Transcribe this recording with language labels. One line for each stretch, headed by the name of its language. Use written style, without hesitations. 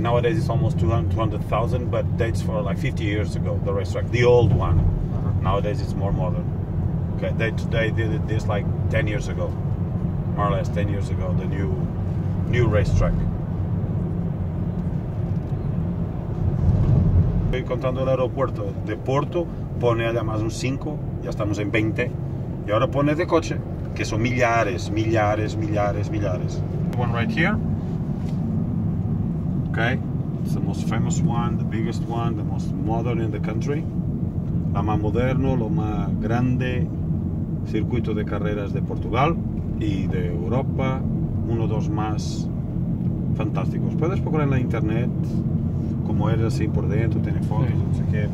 English: Nowadays it's almost 200,000, but dates for like 50 years ago, the racetrack, the old one. Nowadays it's more modern. Okay, they did this like 10 years ago, more or less 10 years ago, the new racetrack.
Spanish: Estoy contando el aeropuerto de Porto, pone allá más un 5, ya estamos en 20, y ahora pone de coche. Que son millares, millares, millares, millares.
English: One right here. Okay. It's the most famous one, the biggest one, the most modern in the country.
Spanish: La más moderno, lo más grande circuito de carreras de Portugal y de Europa. Uno o dos más fantásticos. Puedes poner en la internet como eres así por dentro, tiene fotos, sí. No sé qué.